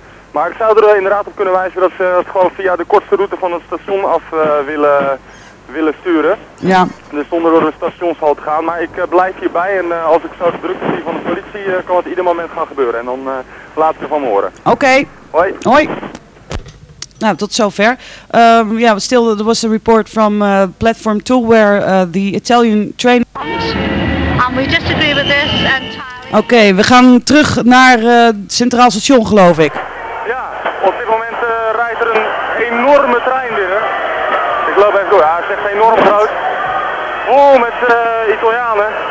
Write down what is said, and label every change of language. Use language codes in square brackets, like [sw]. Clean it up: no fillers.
[nl] Maar ik zou er inderdaad op kunnen wijzen dat ze het gewoon via de kortste route van het station af willen sturen. Ja. Dus zonder door de stationshal te gaan. Maar ik blijf hierbij en als ik zo de druk zie van de politie, kan het ieder moment gaan gebeuren. En dan laat ik ervan horen. Oké. Hoi. Hoi. Nou, tot zover. [en] Still, there was a report from Platform 2 where the Italian train... And we disagree with this entirely. [nl] Oké, we gaan terug naar Centraal Station, geloof ik. Ja, op dit moment rijdt er een enorme trein binnen. Ik loop even door. Ja, het is echt enorm groot. Oh, met Italianen.